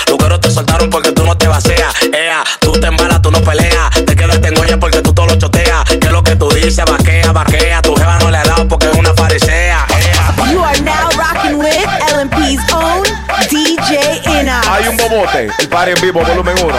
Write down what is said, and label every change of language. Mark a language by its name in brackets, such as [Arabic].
[Spanish] Los güeros te soltaron porque tú no te vacías. Ea, tú te embalas, tú no peleas. Te quedaste en olla porque tú todo lo choteas. Que lo que tú dices, vaquea, vaquea. Tu jeva no le ha dado porque es una farisea. Ea. [English] You are now rocking with LMP's own DJ Inox. [Spanish] Hay un bobote, el party en vivo, volumen 1.